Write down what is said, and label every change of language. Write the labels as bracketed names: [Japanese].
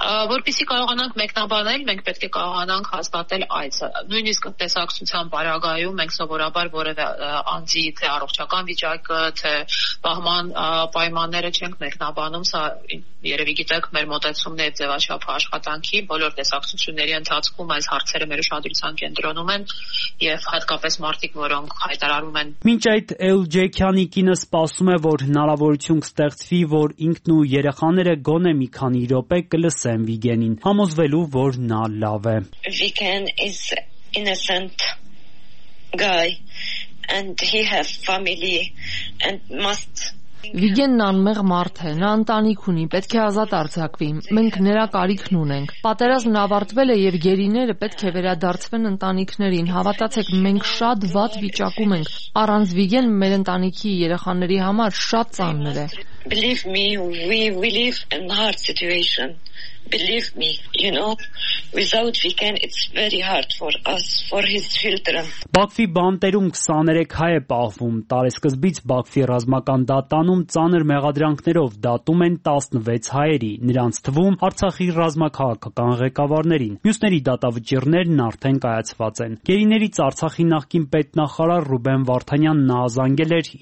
[Armenian] Որպեսզի կարողանանք մեկնաբանել, մենք պետք է կարողանանք հաստատել այս, նույնիսկ տեսակցության պարագայում մենք սովորաբար որևէ անձի թե առողջական վիճակը, թե պահման պայմանները չենք մեկնաբանում, սա երևի գիտեք մեր մոտեցումների ձևաչափ աշխատանքի, բոլոր տեսակցությունների ընթացքում այս հարցերը մեր ուշադրության կենտրոնում են, և հատկապես մարդիկ, որոնք հայտարարում են։ Մինչ այդ Էլջեքյանի կինը սպասում է, որ հնարավորություն կստեղծվի, որ ինքն ու երեխաները գոնե մի քանի րոպե կլսեն Վիգենին, համոզվելու, որ նա լավ է։ [English] Վիգեն is innocent guy and he has family and must [Armenian] Վիգենն անմեղ մարդ է, նա ընտանիք ունի, պետք է ազատ արձակվի, մենք նրա կարիքն ունենք, պատերազմն ավարտվել է և գերիները պետք է վերադարձվեն ընտանիքներին, հավատացեք, մենք շատ վատ վիճակում ենք, առանց Վիգեն մեր ընտանիքի երեխաների համար շատ ծանր է։ [English] Believe me, you know, without Viken it's very hard for us, for his children. [Armenian] Բաքվի բանտերում 23 հայ է պահվում, տարեսկզբից Բաքվի ռազմական դատանում ծանր մեղադրանքներով դատում են 16 հայերի, նրանց թվում Արցախի ռազմաքաղաքական ղեկավարներին, մյուսների դատավճիռներն արդեն կայացված են։ Գերիներից Արցախի նախկին պետնախարար Ռուբեն Վարդանյանն ազանգել էր